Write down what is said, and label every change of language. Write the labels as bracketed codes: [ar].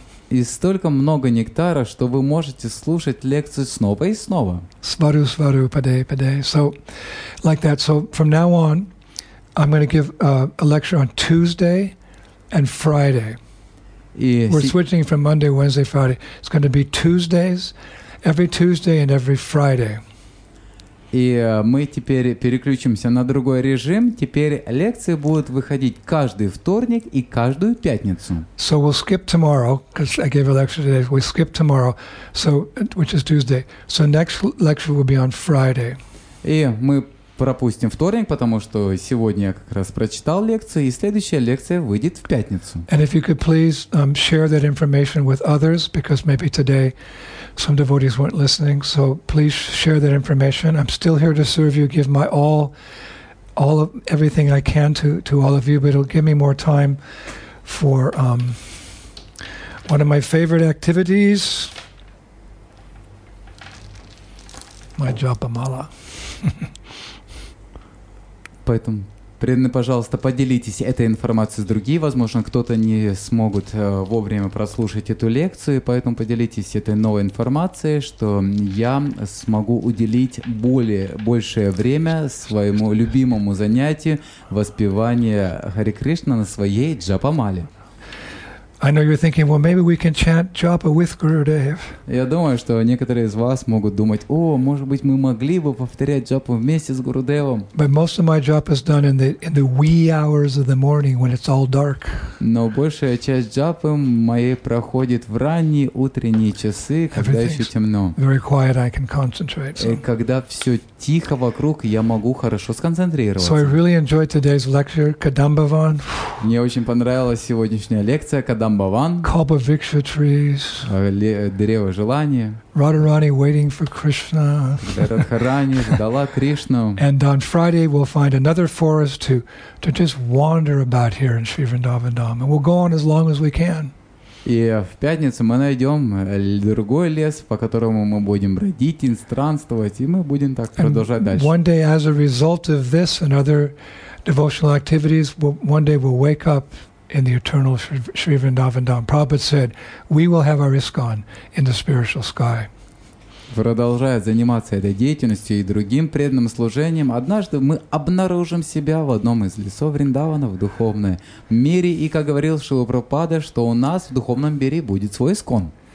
[ru] И столько много нектара, что вы можете слушать лекцию снова и снова. Свару, свару, падей, падей. [en] So, like that. So, from now on, I'm going to give a lecture on Tuesday and Friday. Yes. We're switching from Monday, Wednesday, Friday. It's going to be Tuesdays, every Tuesday and every Friday. [ru] И мы теперь переключимся на другой режим. Теперь лекции будут выходить каждый вторник и каждую пятницу. [en] So we'll skip tomorrow, because I gave a lecture today. We skip tomorrow, so which is Tuesday. So next lecture will be on Friday. [ru] И мы пропустим вторник, потому что сегодня я как раз прочитал лекцию, и следующая лекция выйдет в пятницу. [en] And if you could please share that information with others, because maybe today some devotees weren't listening, so please share that information. I'm still here to serve you, give my all of everything I can to all of you, but it'll give me more time for one of my favorite activities, my japa mala. [ru] Поэтому Преданные, пожалуйста, поделитесь этой информацией с другими. Возможно, кто-то не смогут вовремя прослушать эту лекцию, поэтому поделитесь этой новой информацией, что я смогу уделить более большее время своему любимому занятию воспевания Хари Кришна на своей джапа-мале. [en] I know you're thinking, well, maybe we can chant japa with Gurudev. [ru] Я думаю, что некоторые из вас могут думать, о, может быть, мы могли бы повторять джапу вместе с Гурудевом. [en] But most of my japa is done in the wee hours of the morning when it's all dark. [ru] Но большая часть джапы моей проходит в ранние утренние часы, когда еще темно. [en] Very quiet, I can concentrate. [ru] И когда все тихо вокруг, я могу хорошо сконцентрироваться. [en] So I really enjoyed today's lecture, Kadambavan. [ru] Мне очень понравилась сегодняшняя лекция. Кадамбаван, [en] Kalpa Viksha trees, [ru] Древо желания, [en] Radharani waiting for Krishna, [ru] Радхарани ждала Кришну. [en] And on Friday we'll find another forest to just wander about here in Sri Vrindavan Dham, and we'll go on as long as we can. [ru] И в пятницу мы найдем другой лес, по которому мы будем бродить, инстранствовать, и мы будем так продолжать дальше. [en] One day, as a result of this and other devotional activities, one day we'll wake up in the eternal Sri Vrindavan Dham. Prabhupada said, we will have our ISKCON in the spiritual sky. [ru] Продолжая заниматься этой деятельностью и другим преданным служением, однажды мы обнаружим себя в одном из лесов Вриндавана в духовном мире, и, как говорил Шрила Прабхупада, что у нас в духовном мире будет свой ISKCON.